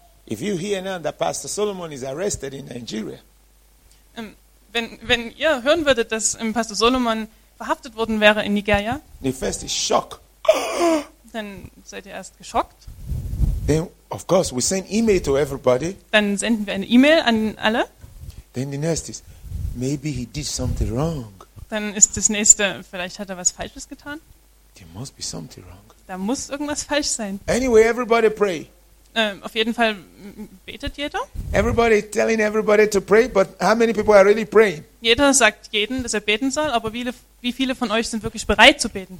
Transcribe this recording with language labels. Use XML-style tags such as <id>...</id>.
<en>If you hear now that Pastor Solomon is arrested in Nigeria.</en> <de>Wenn ihr hören würdet, dass Pastor Solomon verhaftet worden wäre in Nigeria,</de> <en>the first is shock.</en> <de>Dann seid ihr erst geschockt.</de> <en>Then, of course, we send email to everybody.</en> <de>Dann senden wir eine E-Mail an alle.</de> <en>Then the next is, maybe he did something wrong.</en> <de>Dann ist das nächste, vielleicht hat er was Falsches getan.</de> <en>There must be something wrong.</en> <de>Da muss irgendwas falsch sein.</de> <en>Anyway, everybody pray.</en> <de>Auf jeden Fall betet jeder.</de> <en>Everybody telling everybody to pray, but how many people are really praying?</en> <de>Jeder sagt jeden, dass beten soll, aber wie viele von euch sind wirklich bereit zu beten?</de>